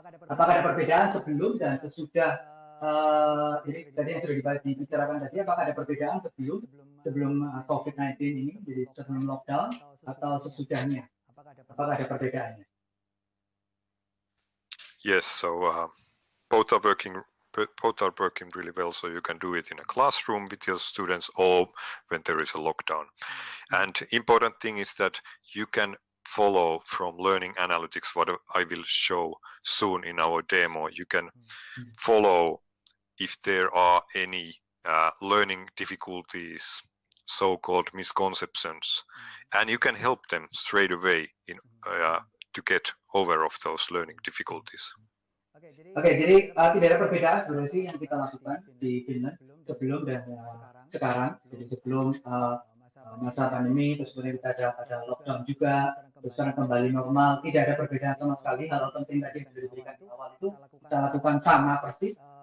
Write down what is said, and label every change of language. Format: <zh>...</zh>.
<id>Apakah ada perbedaan sebelum dan sesudah? Jadi tadi yang sudah dibicarakan tadi, apakah ada perbedaan sebelum COVID-19 ini, jadi sebelum lockdown atau sesudahnya? Apakah ada perbedaannya?</id> <en>Yes, so both are working really well, so you can do it in a classroom with your students or when there is a lockdown. And important thing is that you can follow from learning analytics what I will show soon in our demo. You can follow if there are any learning difficulties, so-called misconceptions, and you can help them straight away in to get over of those learning difficulties.</en> <id>Okay, jadi tidak ada perbedaan sebenarnya sih yang kita lakukan di Finland sebelum dan sekarang. Jadi sebelum masa pandemi, terus kemudian kita ada lockdown juga, terus sekarang kembali normal. Tidak ada perbedaan sama sekali. Hal penting tadi yang diberikan di awal itu kita lakukan sama persis</id>